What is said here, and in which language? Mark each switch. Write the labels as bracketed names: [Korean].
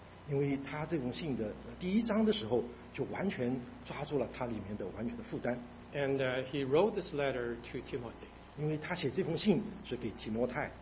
[Chinese] 因为他这封信的第一章的时候就完全抓住了他里面的完全的负担 [English] And he wrote this letter to Timothy [Chinese] 因为他写这封信是给提摩太